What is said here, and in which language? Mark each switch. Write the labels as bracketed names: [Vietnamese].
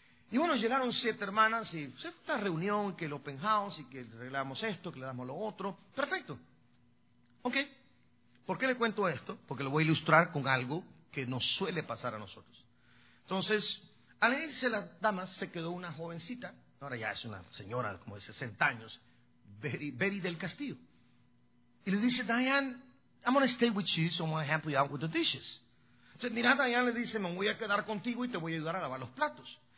[Spanish] Y bueno, llegaron 7 hermanas y se fue una reunión, que el open house y que arreglamos esto, que le damos lo otro. Perfecto. Ok. ¿Por qué le cuento esto? Porque lo voy a ilustrar con algo que nos suele pasar a nosotros. Entonces, al irse las damas, se quedó una jovencita, ahora ya es una señora como de 60 años, Betty del Castillo. Y le dice, [English] Diane, I'm going to stay with you, so I'm going to help you out with the dishes. [Spanish] Entonces, mira, Diane le dice, me voy a quedar contigo y te voy a ayudar a lavar los platos.